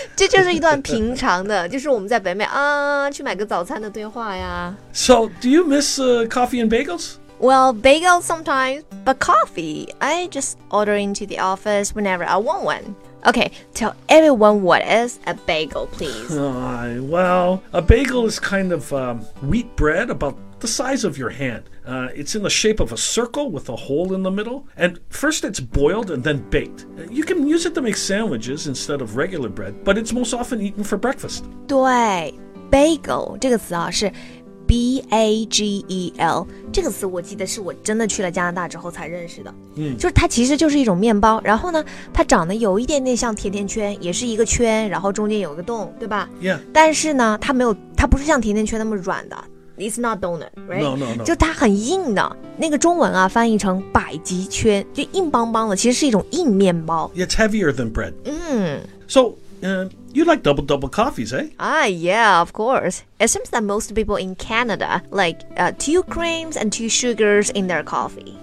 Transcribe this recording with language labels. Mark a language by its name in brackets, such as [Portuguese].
[Chinese] 这就是一段平常的就是我们在北美啊去买个早餐的对话呀。 [English] So, do you miss coffee and bagels? Well, bagels sometimes, but coffee, I just order into the office whenever I want one. Okay, tell everyone what is a bagel, please. Well, a bagel is kind of wheat bread about the size of your hand. It's in the shape of a circle with a hole in the middle. And first it's boiled and then baked. You can use it to make sandwiches instead of regular bread, but it's most often eaten for breakfast. [Chinese] 对 bagel 这个词啊是B-A-G-E-L 这个词我记得是我真的去了加拿大之后才认识的、就是它其实就是一种面包然后呢它长得有一点点像甜甜圈也是一个圈然后中间有一个洞对吧 [English] Yeah [Chinese] 但是呢它没有它不是像甜甜圈那么软的 [English] It's not donut, right? No [Chinese] 就它很硬的那个中文啊翻译成百吉圈就硬邦邦的其实是一种硬面包 [English] It's heavier than bread So you like double-double coffees, eh? Yeah, of course. It seems that most people in Canada like two creams and two sugars in their coffee.